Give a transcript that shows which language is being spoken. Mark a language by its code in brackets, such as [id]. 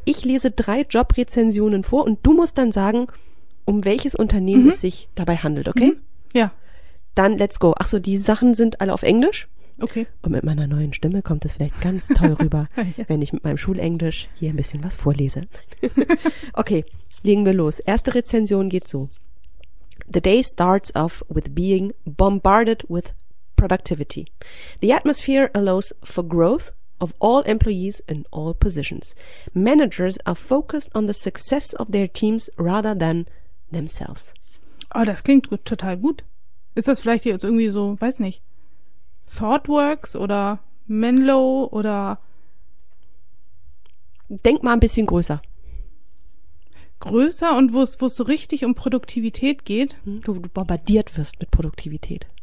[de] Ich lese drei Jobrezensionen vor und du musst dann sagen, um welches Unternehmen es sich dabei handelt, okay? Mhm. Ja. [en] Dann let's go. [de] Ach so, die Sachen sind alle auf Englisch. Okay. Und mit meiner neuen Stimme kommt es vielleicht ganz toll rüber, ja, wenn ich mit meinem Schulenglisch hier ein bisschen was vorlese. Okay, legen wir los. Erste Rezension geht so. [en] The day starts off with being bombarded with productivity. The atmosphere allows for growth of all employees in all positions. Managers are focused on the success of their teams rather than themselves. [de] Oh, das klingt total gut. Ist das vielleicht jetzt irgendwie so, weiß nicht, ThoughtWorks oder Menlo oder... Denk mal ein bisschen größer. Größer und wo es so richtig um Produktivität geht? Wo du bombardiert wirst mit Produktivität.